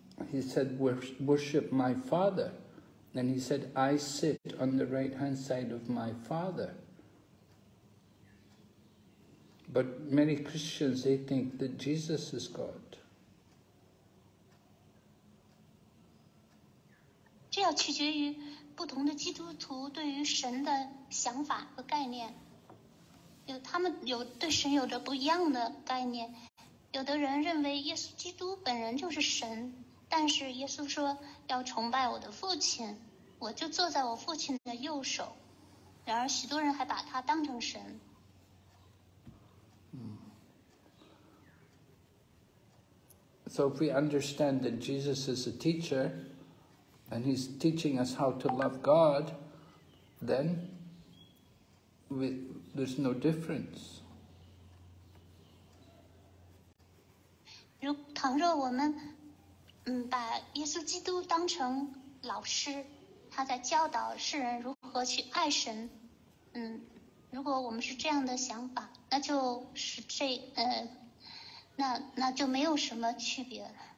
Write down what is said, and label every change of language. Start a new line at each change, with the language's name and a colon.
English: He said, worship my Father. And he said, I sit on the right hand side of my Father. But many Christians, they think that Jesus is God.
Chinese: 这要取决于不同的基督徒对于神的想法和概念。他们有对神有着不一样的概念。有的人认为耶稣基督本人就是神，但是耶稣说要崇拜我的父亲，我就坐在我父亲的右手。然而许多人还把他当成神。
English: So if we understand that Jesus is a teacher and he's teaching us how to love God, then there's no difference.
Chinese: 倘若我们把耶稣基督当成老师，他在教导世人如何去爱神，如果我们是这样的想法，那就是这那就没有什么区别了。